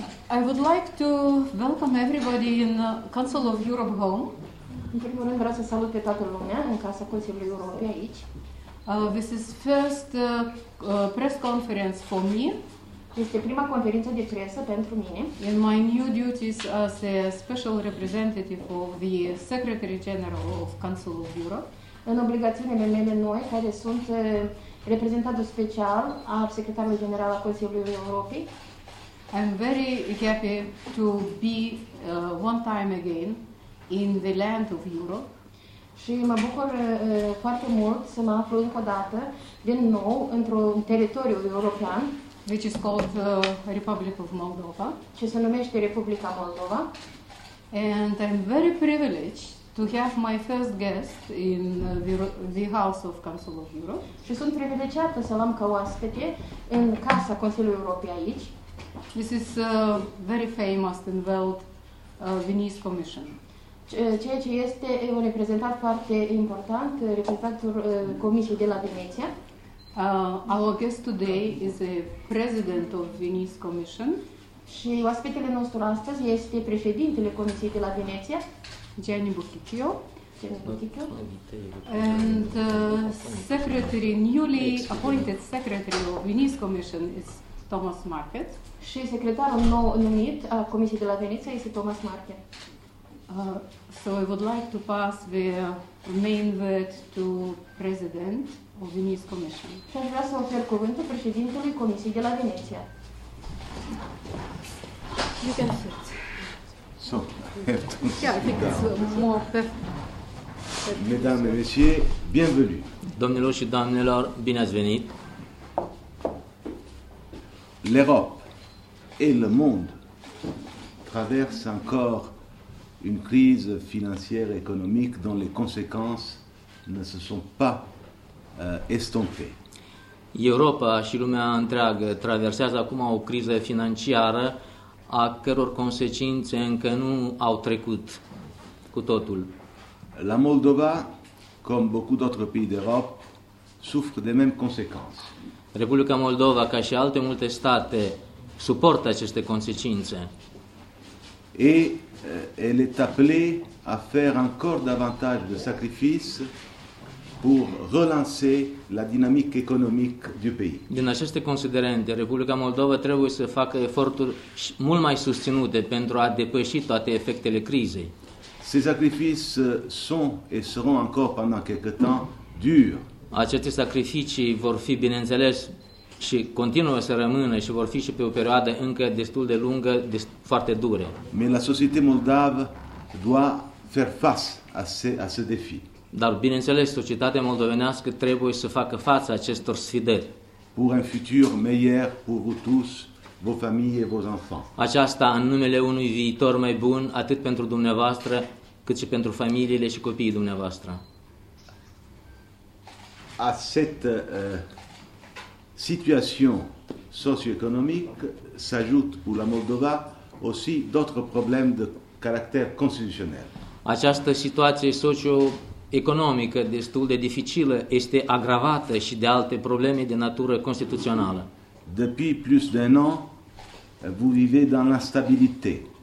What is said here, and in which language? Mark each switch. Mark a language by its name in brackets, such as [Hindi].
[English] I would like to welcome everybody in the Council of Europe home. [Romanian] În primul rând vreau să salut pe toată lumea în Casa Consiliului Europei aici. [English] This is first press conference for me. [Romanian] Este prima conferință de presă pentru mine. [English] In my new duties as a special representative of the Secretary General of Council of Europe. [Romanian] În obligațiile mele noi, care sunt reprezentantul special al Secretarului General al Consiliului Europei. [English] I'm very happy to be one time again in the land of Europe. [Romanian] Și mă bucur foarte mult să mă aflu încă o dată din nou într-un teritoriu european, [English] which is called Republic of Moldova. [Romanian] Ce se numește Republica Moldova. [English] And I'm very privileged to have my first guest in the House of Council of Europe. [Romanian] Și sunt privilegiată să l-am ca oaspete în Casa Consiliului Europei aici. [English] This is very famous in world Venice Commission. [Romanian] Ceea ce este un reprezentant foarte important, reprezentantul Comisiei de la Veneția. [English] Our guest today is the President of Venice Commission. [Romanian] Și oaspetele nostru astăzi este președintele Comisiei de la Veneția, [English] Gianni Buchicchio. [Romanian] Gianni Buchicchio. [English] And secretary, newly appointed secretary of Venice Commission is Thomas Market. [Romanian] Și secretarul nou numit a Comisiei de la Veneția este Thomas Market. [English] So I would like to pass the main word to President of the Venice Commission. [Romanian] Și aș vrea să ofer cuvântul președintelui Comisiei de la Veneția. [English] You can sit. So, I have to sit. Yeah, I think it's more perfect. [French] Mesdames et messieurs, bienvenue. [Romanian] Domnilor și doamnelor, bine ați venit. [French] L'Europe et le monde traversent encore une crise financière et économique dont les conséquences ne se sont pas estompées. [Romanian] Europa și lumea întreagă traversează acum o criză financiară a căror consecințe încă nu au trecut cu totul. [French] La Moldova, comme beaucoup d'autres pays d'Europe, souffre des mêmes conséquences. [Romanian] Republica Moldova, ca și alte multe state, suportă aceste consecințe. [French] Et elle est appelée à faire encore davantage de sacrifices pour relancer la dynamique économique du pays. [Romanian] Din aceste considerente, Republica Moldova trebuie să facă eforturi mult mai susținute pentru a depăși toate efectele crizei. [French] Ces sacrifices sont et seront encore pendant quelque temps durs. [Romanian] Aceste sacrificii vor fi, bineînțeles, și continuă să rămână și vor fi și pe o perioadă încă destul de lungă, foarte dure. [French] Mais la société moldave doit faire face à ce défi. [Romanian] Dar bineînțeles, societatea moldovenească trebuie să facă față acestor sfideri. [French] Pour un futur meilleur pour vous tous, vos familles et vos enfants. [Romanian] Aceasta în numele unui viitor mai bun, atât pentru dumneavoastră, cât și pentru familiile și copiii dumneavoastră. [French] À cette situation socio-économique s'ajoute pour la Moldova aussi d'autres problèmes de caractère constitutionnel. [Romanian] Această situație socio-economică destul de dificilă este agravată și de alte probleme de natură constituțională. [French] Depuis plus d'un an, vous vivez dans l'instabilité.